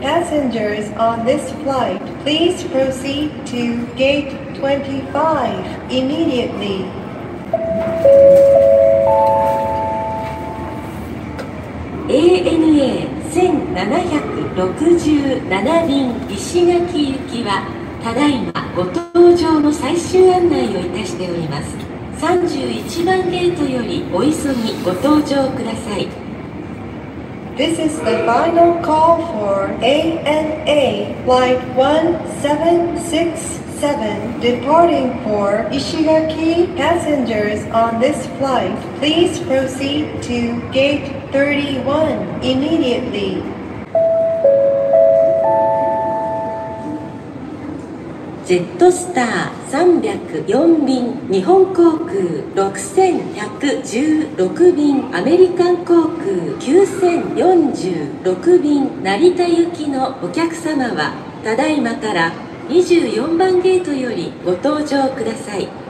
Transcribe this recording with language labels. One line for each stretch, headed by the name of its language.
English: Passengers on this flight, please proceed to gate 25 immediately.
Japanese: ANA 1767便石垣行きはただいまご搭乗の最終案内をいたしております。 31番ゲートよりお急ぎご搭乗ください。
English: This is the final call for ANA Flight 1767 departing for 石垣. Passengers on this flight, please proceed to gate 31 immediately.
Japanese: ジェットスター304便日本航空6116便アメリカン航空9046便成田行きのお客様はただいまから24番ゲートよりご搭乗ください。